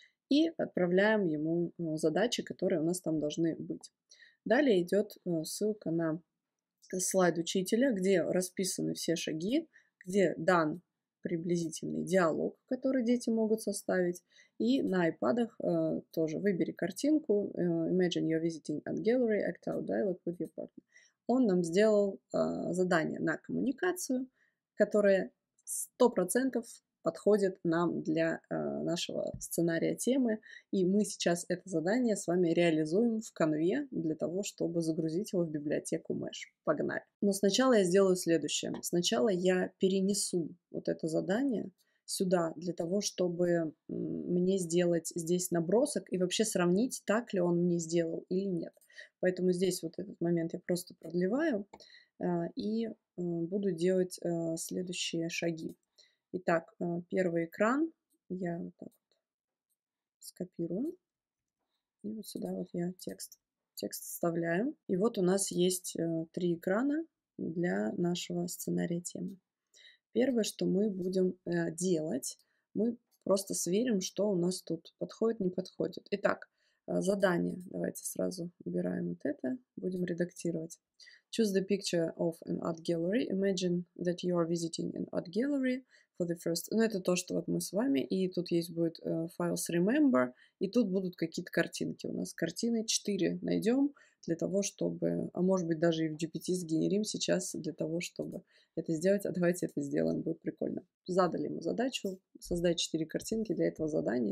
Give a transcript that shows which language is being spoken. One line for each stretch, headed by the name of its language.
Russian: И отправляем ему задачи, которые у нас там должны быть. Далее идет ссылка на слайд учителя, где расписаны все шаги, где дан приблизительный диалог, который дети могут составить. И на iPad'ах тоже выбери картинку.
English: Imagine you're visiting art gallery, act out dialogue with your partner.
Russian: Он нам сделал задание на коммуникацию, которое 100% подходит нам для нашего сценария темы. И мы сейчас это задание с вами реализуем в Canva для того, чтобы загрузить его в библиотеку Mesh. Погнали! Но сначала я сделаю следующее. Сначала я перенесу вот это задание сюда для того, чтобы мне сделать здесь набросок и вообще сравнить, так ли он мне сделал или нет. Поэтому здесь вот этот момент я просто продлеваю и буду делать следующие шаги. Итак, первый экран я вот так вот скопирую. И вот сюда вот я текст вставляю. И вот у нас есть три экрана для нашего сценария темы. Первое, что мы будем делать, мы просто сверим, что у нас тут подходит, не подходит. Итак, задание. Давайте сразу убираем вот это. Будем редактировать.
English: Choose the picture of an art gallery. Imagine that you are visiting an art gallery for the first...
Russian: Ну, это то, что вот мы с вами. И тут есть будет
English: files remember.
Russian: И тут будут какие-то картинки. У нас картины 4 найдем для того, чтобы... А может быть, даже и в GPT сгенерим сейчас для того, чтобы это сделать. А давайте это сделаем. Будет прикольно. Задали ему задачу создать 4 картинки для этого задания.